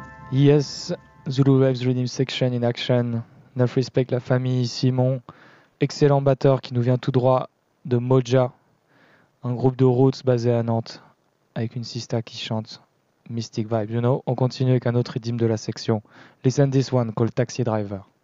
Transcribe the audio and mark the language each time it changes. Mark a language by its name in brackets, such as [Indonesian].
[English] Yes, Zulu Waves Rhythm Section in action. [French] Neuf respect la famille Simon, excellent batteur qui nous vient tout droit de Moja, un groupe de roots basé à Nantes, avec une sista qui chante Mystic Vibe. [English] You know, [French] on continue avec un autre rhythm de la section. [English] Listen this one called Taxi Driver.